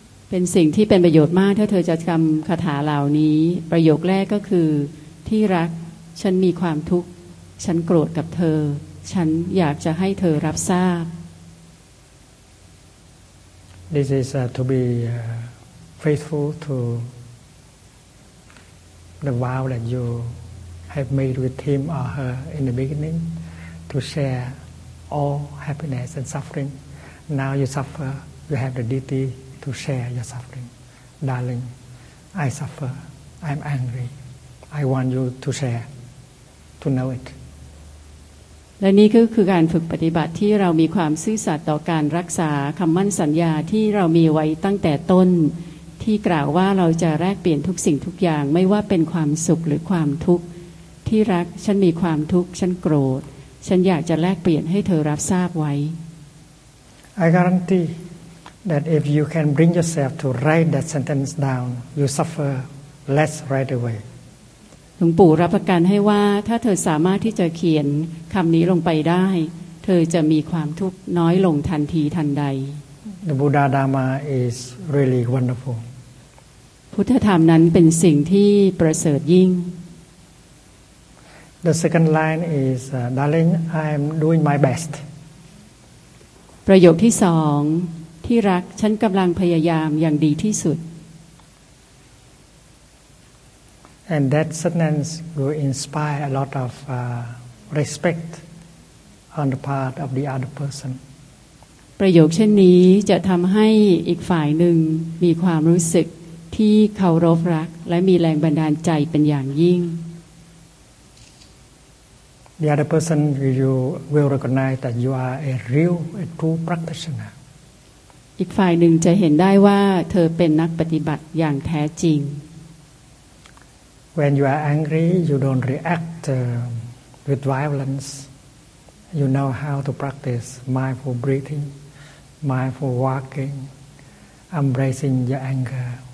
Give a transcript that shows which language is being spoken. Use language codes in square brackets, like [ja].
[th] เป็นสิ่งที่เป็นประโยชน์มากถ้าเธอจะจำคาถาเหล่านี้ประโยคแรกก็คือที่รักฉันมีความทุกข์ฉันโกรธกับเธอฉันอยากจะให้เธอรับทราบ [en] This is to be faithful to the vow that you have made with him or her in the beginning to share all happiness and suffering now you suffer you have the dutyTo share your suffering, darling. I suffer. I'm angry. I want you to share, to know it. [th] และนี่ก็คือการฝึกปฏิบัติที่เรามีความซื่อสัตย์ต่อการรักษาคำมั่นสัญญาที่เรามีไว้ตั้งแต่ต้นที่กล่าวว่าเราจะแลกเปลี่ยนทุกสิ่งทุกอย่างไม่ว่าเป็นความสุขหรือความทุกข์ที่รักฉันมีความทุกข์ฉันโกรธฉันอยากจะแลกเปลี่ยนให้เธอรับทราบไว้ [en] I guaranteeThat if you can bring yourself to write that sentence down, you suffer less right away. [th] หลวงปู่รับประกันให้ว่าถ้าเธอสามารถที่จะเขียนคำนี้ลงไปได้เธอจะมีความทุกข์น้อยลงทันทีทันใด [en] The Buddha Dharma is really wonderful. [th] พุทธธรรมนั้นเป็นสิ่งที่ประเสริฐยิ่ง [en] The second line is, darling, I am doing my best. [th] ประโยคที่สองที่รักฉันกำลังพยายามอย่างดีที่สุด [en] And that sentence will inspire a lot of respect on the part of the other person [th] ประโยคเช่นนี้จะทำให้อีกฝ่ายหนึ่งมีความรู้สึกที่เคารพรักและมีแรงบันดาลใจเป็นอย่างยิ่ง [en] The other person will recognize that you are a true practitioner. [th] อีกฝ่ายหนึ่งจะเห็นได้ว่าเธอเป็นนักปฏิบัติอย่างแท้จริง [en] When you are angry, you don't react with violence. You know how to practice mindful breathing, mindful walking, embracing your anger.